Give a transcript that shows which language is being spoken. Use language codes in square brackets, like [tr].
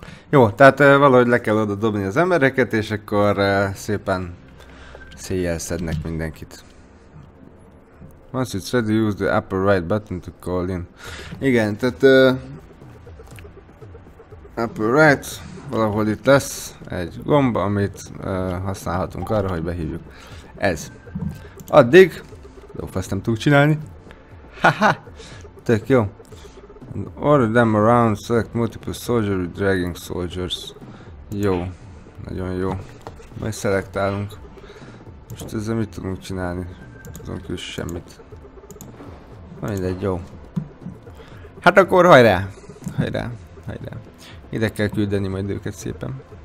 [hu] Jó, tehát valahogy le kell oda dobni az embereket, és akkor szépen széjjel szednek mindenkit. [en] Once it's ready, use the upper right button to call in. [hu] Igen, tehát... [en] upper right, [hu] valahol itt lesz egy gomb, amit használhatunk arra, hogy behívjuk. Ez. Addig... Lófaszt nem tudjuk csinálni. Haha! Tök jó. [en] And order them around, select multiple soldiers with dragging soldiers. [hu] Jó. Nagyon jó. Majd szelektálunk. Most ezzel mit tudunk csinálni? Azon kívül semmit. Na mindegy, jó. Hát akkor hajrá! Hajrá, hajrá. Ide kell küldeni majd őket szépen.